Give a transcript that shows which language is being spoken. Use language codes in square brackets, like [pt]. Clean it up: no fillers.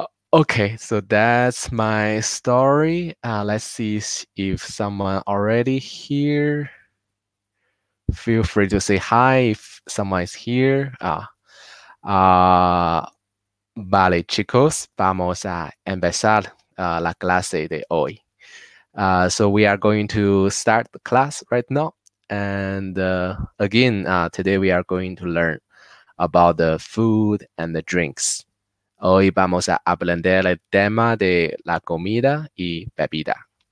[en] Okay, so that's my story. Let's see if someone already here. Feel free to say hi if someone is here. [es] Vale, chicos, vamos a empezar la clase de hoy. [en] So we are going to start the class right now. And again, today we are going to learn about the food and the drinks. [es] Hoy vamos a aprender el tema de la comida y bebida.